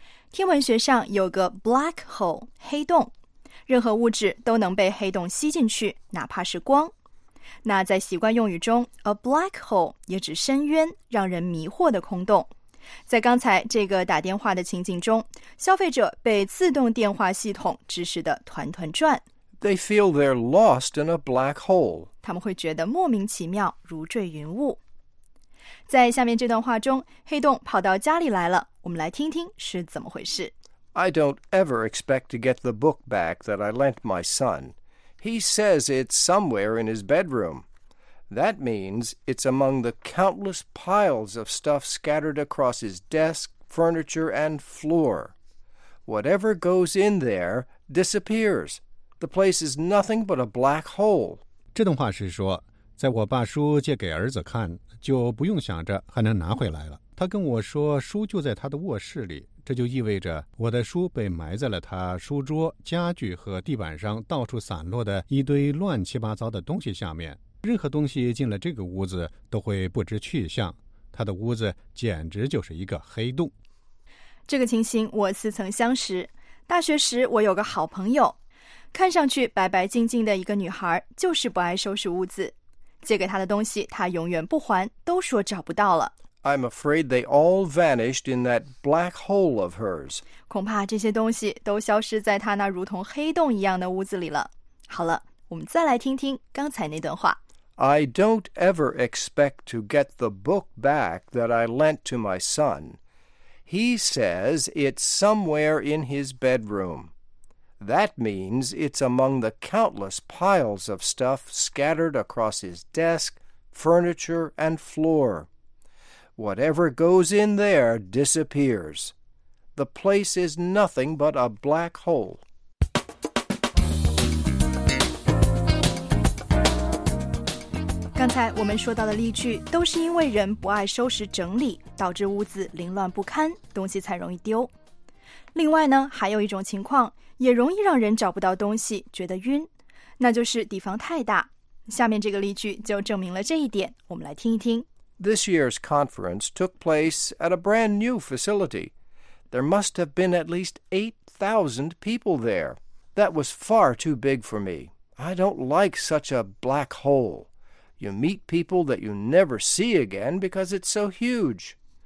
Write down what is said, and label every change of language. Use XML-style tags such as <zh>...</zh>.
<zh>天文学上有个 black hole, 黑洞，任何物质都能被黑洞吸进去，哪怕是光。那在习惯用语中 ,A black hole 也指深渊，让人迷惑的空洞。在刚才这个打电话的情景中，消费者被自动电话系统指使得团团转。</zh> <en>They feel they're lost in a black hole.</en> <zh>他们会觉得莫名其妙，如坠云雾。在下面这段话中，黑洞跑到家里来了，我们来听听是怎么回事。</zh> <en>I don't ever expect to get the book back that I lent my son. He says it's somewhere in his bedroom. That means it's among the countless piles of stuff scattered across his desk, furniture, and floor. Whatever goes in there disappears. The place is nothing but a black hole.</en> <zh>这段话是说，在我把书借给儿子看，就不用想着还能拿回来了。他跟我说书就在他的卧室里，这就意味着我的书被埋在了他书桌、家具和地板上到处散落的一堆乱七八糟的东西下面。任何东西进了这个屋子都会不知去向，他的屋子简直就是一个黑洞。这个情形我似曾相识，大学时我有个好朋友，看上去白白净净的一个女孩，就是不爱收拾屋子，借给她的东西她永远不还，都说找不到了。</zh> <en>I'm afraid they all vanished in that black hole of hers.</en> <zh>恐怕这些东西都消失在她那如同黑洞一样的屋子里了。好了，我们再来听听刚才那段话。</zh> <en>I don't ever expect to get the book back that I lent to my son. He says it's somewhere in his bedroom. That means it's among the countless piles of stuff scattered across his desk, furniture, and floor. Whatever goes in there disappears. The place is nothing but a black hole.</en> <zh>刚才我们说到的例句都是因为人不爱收拾整理，导致屋子凌乱不堪，东西才容易丢。另外呢，还有一种情况也容易让人找不到东西觉得晕，那就是底房太大。下面这个例句就证明了这一点，我们来听一听。</zh> <en>This year's conference took place at a brand new facility. There must have been at least 8,000 people there. That was far too big for me. I don't like such a black hole. You meet people that you never see again because it's so huge.</en>